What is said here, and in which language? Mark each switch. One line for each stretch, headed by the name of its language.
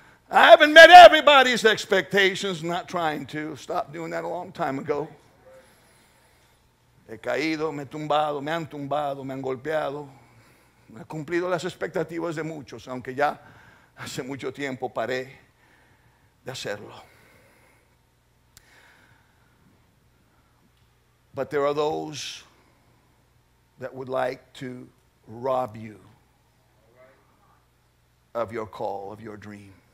English: I haven't met everybody's expectations, not trying to. Stop doing that a long time ago.
Spanish: He caído, me he tumbado, me han golpeado. No he cumplido las expectativas de muchos, aunque ya hace mucho tiempo paré de hacerlo.
English: But there are those that would like to rob you of your call, of your dream.